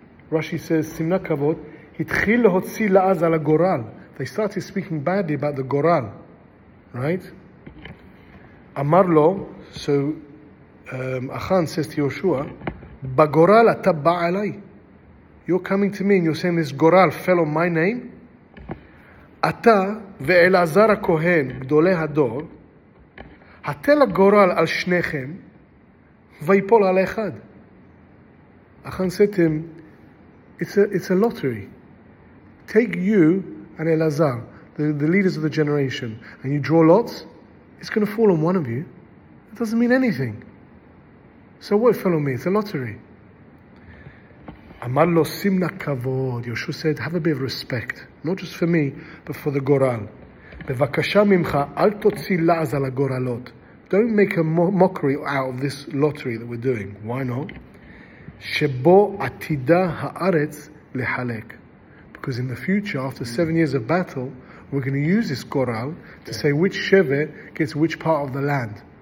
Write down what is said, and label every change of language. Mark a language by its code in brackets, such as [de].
[en] Rashi says, [he] Simna kavod, hitchil lehotzi la'az ala goral. [en] They started speaking badly about the goral, right? Amar lo, so Achan says to Yehoshua, [he] Bagoral ata ba'alai. [en] You're coming to me and you're saying this goral fell on my name? [he] אתה ואלעזר הכהן גדולי הדור הטל הגורל על שניכם ויפול על אחד. [en] אחן said to him, it's a lottery. Take you and Elazar, the leaders of the generation, and you draw lots, it's going to fall on one of you. It doesn't mean anything. So what fell on me? It's a lottery. [he] אמר לו, סימנה כבוד. [en] Yehoshua said, have a bit of respect. Not just for me, but for the goral. [he] בבקשה ממך, אל תוציא לעז על הגורלות. [en] Don't make a mockery out of this lottery that we're doing. Why not? [he] שבו עתידה הארץ לחלק. [en] Because in the future, after 7 years of battle, we're going to use this goral to say which shevet gets which part of the land.